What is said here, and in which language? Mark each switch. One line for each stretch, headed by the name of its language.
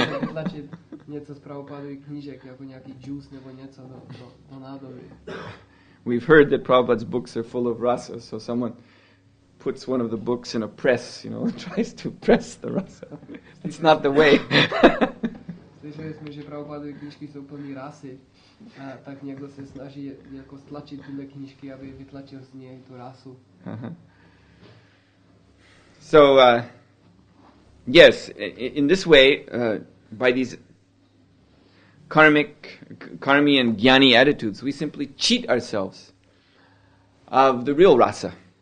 Czech: Tlačit něco z Prabhupádových knížek, jako nějaký juice nebo něco do nádoby.
English: We've heard that Prabhupada's books are full of rasa, so someone puts one of the books in a press, you know, tries to press the rasa. It's not the way.
Czech: Slyšeli jsme, že Prabhupádové knížky jsou plný rasy, a tak někdo se snaží jako stlačit tyhle knížky, aby vytlačil z něj tu rasu.
English: So yes, in this way, by these karmic and jnani attitudes, we simply cheat ourselves of the real rasa.